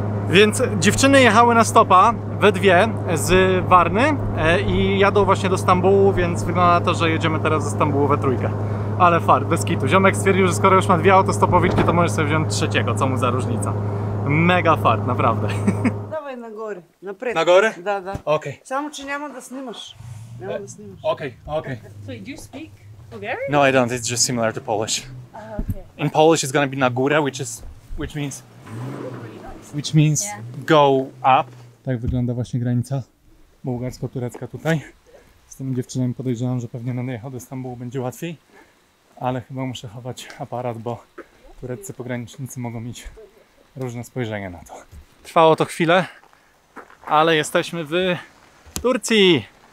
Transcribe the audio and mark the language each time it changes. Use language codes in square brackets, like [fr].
[pl] Więc dziewczyny jechały na stopa, we dwie, z Warny i jadą właśnie do Stambułu, więc wygląda na to, że jedziemy teraz ze Stambułu we trójkę. Ale fart, bez kitu. Ziomek stwierdził, że skoro już ma dwie autostopowiczki, to możesz sobie wziąć trzeciego, co mu za różnica. Mega fart, naprawdę. Dawaj na górę, na prędko. Na górę? [bg] Da, da. [pl] Okej. [en] Okay. Samo czy nie ma, da snimasz. [pl] Okej. [en] So, do you speak Bulgarian? No, I don't, it's just similar to Polish. Okay. In Polish it's gonna be na górę, which means... Which means yeah. Go up. [pl] Tak wygląda właśnie granica bułgarsko-turecka tutaj. Z tymi dziewczynami podejrzewam, że pewnie na jechał do Stambułu będzie łatwiej. Ale chyba muszę chować aparat, bo tureccy pogranicznicy mogą mieć różne spojrzenie na to. Trwało to chwilę, ale jesteśmy w Turcji.